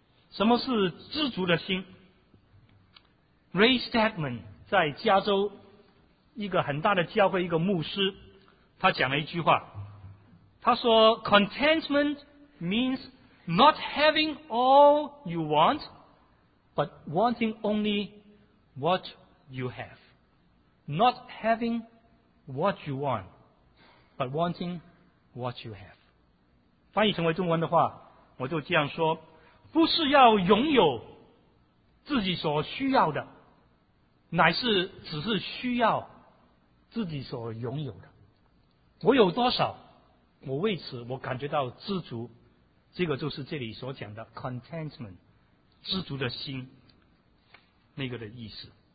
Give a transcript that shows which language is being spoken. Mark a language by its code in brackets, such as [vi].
[zh] 什么是知足的心？ Ray Stedman 在加州一个很大的教会一个牧师，他讲了一句话，他说 [en] Contentment means not having all you want but wanting only what you have. Not having what you want, but wanting what you have. [zh] 翻译成为中文的话，我就这样说，不是要拥有自己所需要的，乃是只是需要自己所拥有的。我有多少，我为此我感觉到知足，这个就是这里所讲的 contentment， 知足的心，那个的意思。